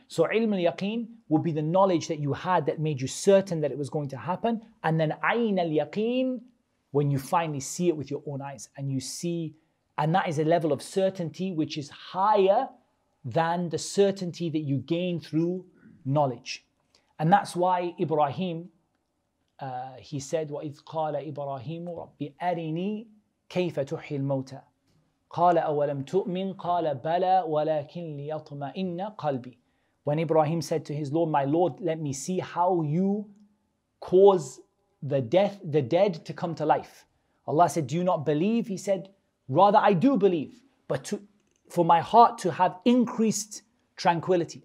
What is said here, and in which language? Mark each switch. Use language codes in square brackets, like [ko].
[en] So ilm al-yaqeen would be the knowledge that you had that made you certain that it was going to happen. And then عَيْنَ الْيَقِينَ, when you finally see it with your own eyes. And you see, and that is a level of certainty which is higher than the certainty that you gain through knowledge. And that's why Ibrahim, he said, [ar] وَإِذْ قَالَ إِبْرَاهِيمُ رَبِّ أَرِنِي كَيْفَ تُحْيِي الْمَوْتَى. قَالَ أَوَلَمْ تُؤْمِنْ قَالَ بَلَى وَلَكِنْ لِيَطْمَئِنَّ قَلْبِ. [en] When Ibrahim said to his Lord, my Lord, let me see how you cause the dead to come to life. Allah said, do you not believe? He said, rather I do believe, but for my heart to have increased tranquility.